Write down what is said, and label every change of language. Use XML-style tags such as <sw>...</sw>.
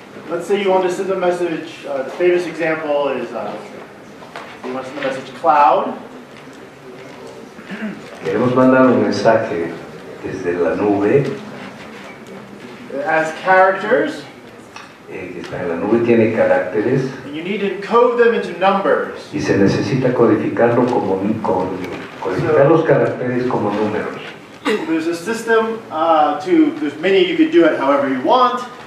<en>let's say you want to send a message, the famous example is you want to send a message cloud.</en> <es>Queremos mandar un mensaje desde la nube.</es> <en>As characters.</en> <es>La nube tiene caracteres.</es> <en>And you need to encode them into numbers.</en> <es>Y se necesita codificarlo como codificar los caracteres como números.</es> <en>There's a system there's many you could do it however you want.</en>